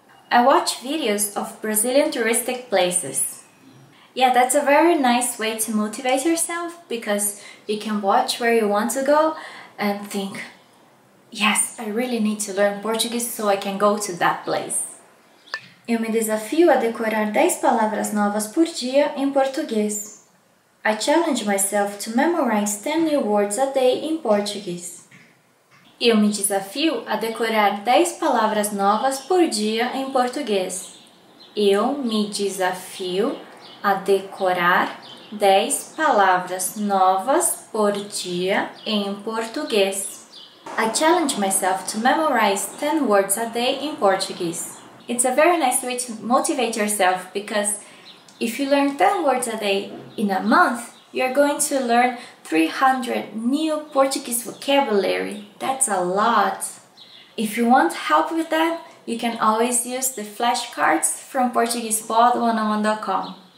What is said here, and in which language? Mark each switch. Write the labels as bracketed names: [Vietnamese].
[English] I watch videos of Brazilian touristic places. Yeah, that's a very nice way to motivate yourself because you can watch where you want to go and think, yes, I really need to learn Portuguese so I can go to that place. [Portuguese] Eu me desafio a decorar 10 palavras novas por dia em português. [English] I challenge myself to memorize 10 new words a day in Portuguese. [Portuguese] Eu me desafio a decorar 10 palavras novas por dia em português. Eu me desafio a decorar 10 palavras novas por dia em português. [English] I challenge myself to memorize 10 words a day in Portuguese. It's a very nice way to motivate yourself because if you learn 10 words a day in a month, you're going to learn 300 new Portuguese vocabulary. That's a lot. If you want help with that, you can always use the flashcards from PortuguesePod101.com.